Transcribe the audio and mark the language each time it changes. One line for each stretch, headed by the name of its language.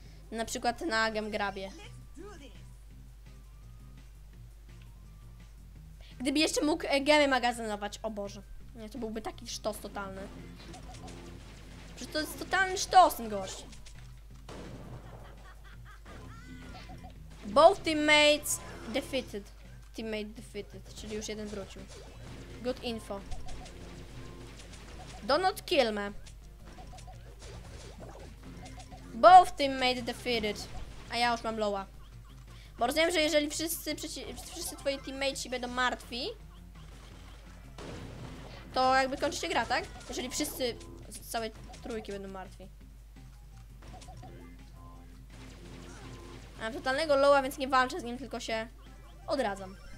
Polish: Na przykład na Gemgrabie. Gdyby jeszcze mógł gemy magazynować, o Boże. Nie, to byłby taki sztos totalny. Przecież to jest totalny sztos ten gość.
English: Both teammates defeated. Teammate defeated,
Polish: czyli już jeden wrócił.
English: Good info. Do not kill me. Both teammates defeated.
Polish: A ja już mam lowa. Bo rozumiem, że jeżeli wszyscy twoi teammates będą martwi, to jakby kończy się gra, tak? Jeżeli wszyscy z całej trójki będą martwi. Mam totalnego lowa, więc nie walczę z nim, tylko się odradzam.